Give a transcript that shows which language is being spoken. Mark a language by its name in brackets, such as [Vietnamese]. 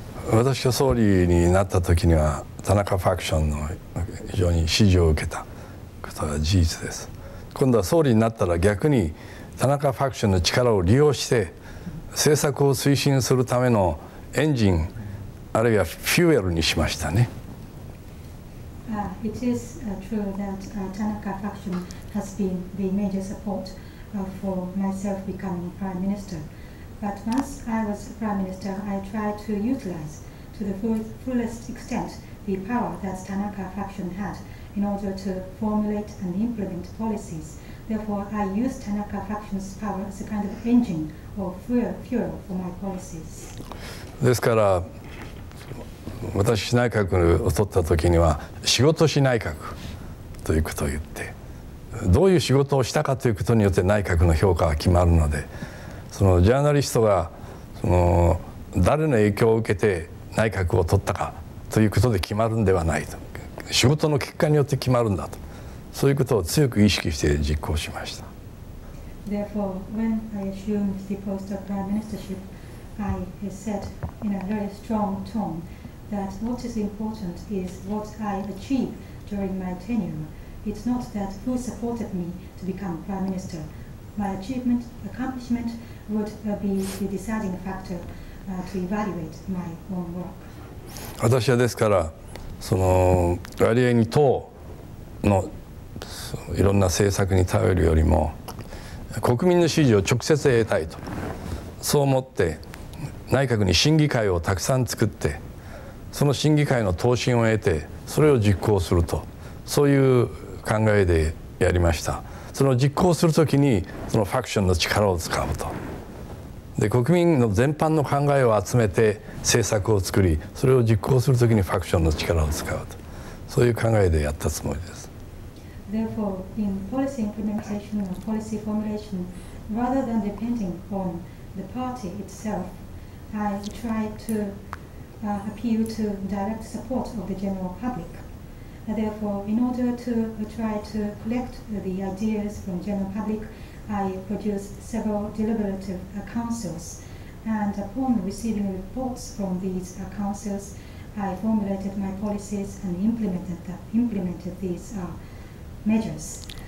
[Japanese] 私が総理になった時には田中ファクションの非常に支持を受けたことは事実です。今度は総理になったら逆に田中ファクションの力を利用して政策を推進するためのエンジンあるいはフューエルにしましたね。 [English] It is true that Tanaka faction has been the major support for myself becoming prime minister. But once I was prime minister, I tried to utilize to the fullest extent the power that Tanaka faction had in order to formulate and implement policies. Therefore, I use Tanaka Faction's power as a kind of engine or fuel for my policies. [Japanese] ですから、私内閣を取った時には仕事し内閣ということを言って、どういう仕事をしたかということによって内閣の評価は決まるので、そのジャーナリストがその誰の影響を受けて内閣を取ったかということで決まるんではないと、仕事の結果によって決まるんだと、そういうことを強く意識して実行しました。 [English] Therefore, when I assumed the post of prime ministership, I said in a very strong tone that what is important is what I achieve during my tenure. It's not that who supported me to become prime minister. My achievement, accomplishment would be the deciding factor to evaluate my own work. [Japanese] 私はですから、その割合に党のいろんな政策に頼るよりも国民の支持を直接得たいと、そう思って内閣に審議会をたくさん作って、その審議会の答申を得てそれを実行すると、そういう考えでやりました。その実行するときにそのファクションの力を使うと、で国民の全般の考えを集めて政策を作り、それを実行するときにファクションの力を使うと、そういう考えでやったつもりです。 [English] Therefore, in policy implementation and policy formulation, rather than depending on the party itself, I try to appeal to direct support of the general public. Therefore, in order to try to collect the ideas from general public,I produce several deliberative councils, and upon receiving reports from these councils, I formulated my policies and implemented these measures.